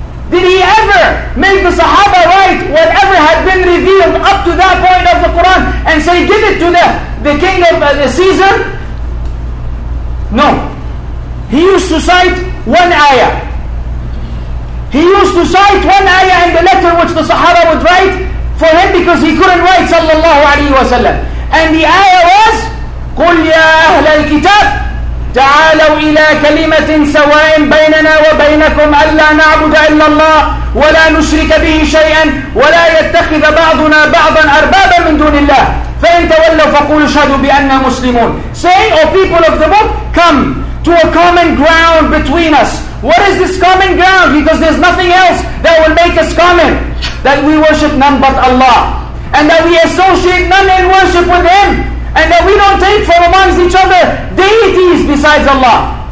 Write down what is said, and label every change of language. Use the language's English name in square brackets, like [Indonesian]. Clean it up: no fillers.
[English] Did he ever make the Sahaba write whatever had been revealed up to that point of the Quran and say, give it to the king of the Caesar? No. He used to cite one ayah. He used to cite one ayah in the letter which the Sahaba would write for him, because he couldn't write sallallahu alayhi wa sallam. And the ayah was, [Arabic] قُلْ يَا أَهْلَ الْكِتَابِ تعالوا إلى كلمة سواء بيننا وبينكم ألا نعبد إلا الله ولا نشرك به شيئا ولا يتخذ بعضنا بعضا أربابا من دون الله فإن تولوا فقولوا اشهدوا بأننا مسلمون. [English] Say, O people of the book, come to a common ground between us. What is this common ground? Because there's nothing else that will make us common. That we worship none but Allah, and that we associate none in worship with Him, and that we don't take from amongst each other deities besides Allah.